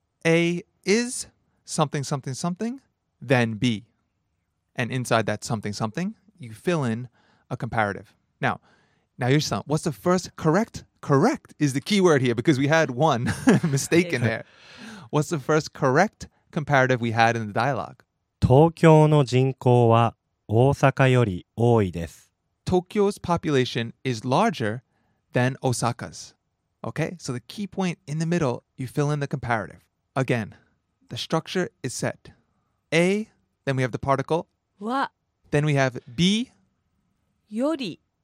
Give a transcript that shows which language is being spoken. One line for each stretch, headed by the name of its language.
English: A is something something something, then B. And inside that something something, you fill in a comparative. Now, Yoshi-san, what's the first correct? Correct is the key word here because we had one mistake in there. What's the first correct comparative we had in the dialogue?
Japanese: 東京の人口は大阪より多いです。
English: Tokyo's population is larger than Osaka's. Okay, so the key point in the middle, you fill in the comparative. Again, the structure is set. A, then we have the particle.
Japanese: Wa.
English: Then we have B.
Japanese: Yori.